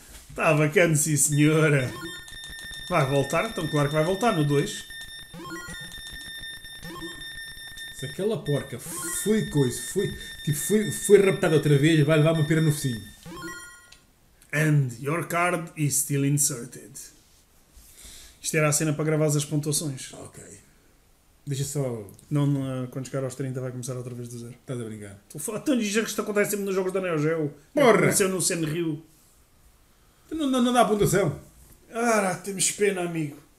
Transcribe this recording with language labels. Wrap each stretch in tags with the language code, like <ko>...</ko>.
<pt>Está bacana, sim senhora. Vai voltar, então claro que vai voltar no 2. Se aquela porca foi coisa, foi raptada outra vez, vai levar uma pera no focinho.</pt> <en>And your card is still inserted.</en> <pt>Isto era a cena para gravar as pontuações. Ok. Deixa só. Não, quando chegar aos 30 vai começar outra vez do zero. Estás a brincar? Estou a tão dizer que isto acontece sempre nos jogos da Neo Geo. Porra! Aconteceu no Sen Rio. Não dá a pontuação. Ah, temos pena, amigo.</pt>